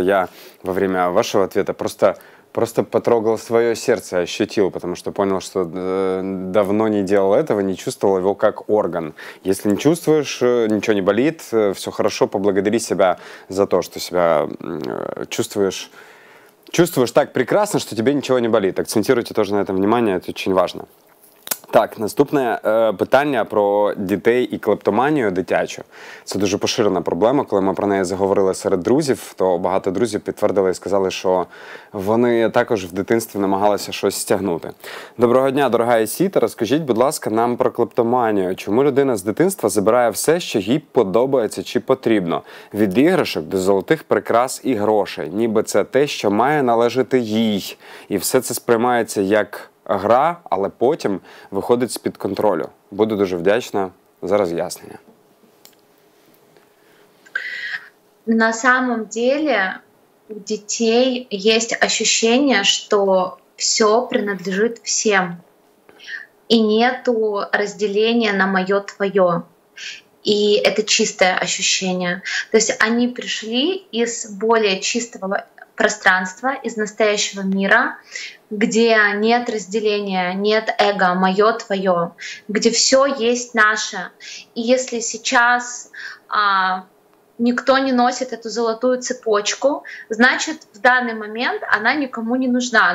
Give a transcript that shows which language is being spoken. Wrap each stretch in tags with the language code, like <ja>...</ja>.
<ru>Я во время вашего ответа просто потрогал свое сердце, ощутил, потому что понял, что давно не делал этого, не чувствовал его как орган. Если не чувствуешь, ничего не болит, все хорошо, поблагодари себя за то, что себя чувствуешь так прекрасно, что тебе ничего не болит. Акцентируйте тоже на этом внимание, это очень важно.</ru> <uk>Так, наступне питання про дітей і клептоманію дитячу. Це дуже поширена проблема. Коли ми про неї заговорили серед друзів, то багато друзів підтвердили і сказали, що вони також в дитинстві намагалися щось стягнути. Доброго дня, дорога Есіта. Розкажіть, будь ласка, нам про клептоманію. Чому людина з дитинства забирає все, що їй подобається чи потрібно? Від іграшок до золотих прикрас і грошей. Ніби це те, що має належати їй. І все це сприймається як... гра, але потім виходить з-під контролю. Буду дуже вдячна за роз'яснення.</uk> <ru>На самом деле</ru> <uk>у дітей є</uk> <ru>ощущення,</ru> <uk>що</uk> <ru>все принадлежить всім.</ru> <uk>І нету розділення на моє твоє.</uk> <ru>И это чистое ощущение. То есть они пришли из более чистого пространства, из настоящего мира, где нет разделения, нет эго, мое, твое, где все есть наше. И если сейчас никто не носит эту золотую цепочку, значит, в данный момент она никому не нужна.</ru>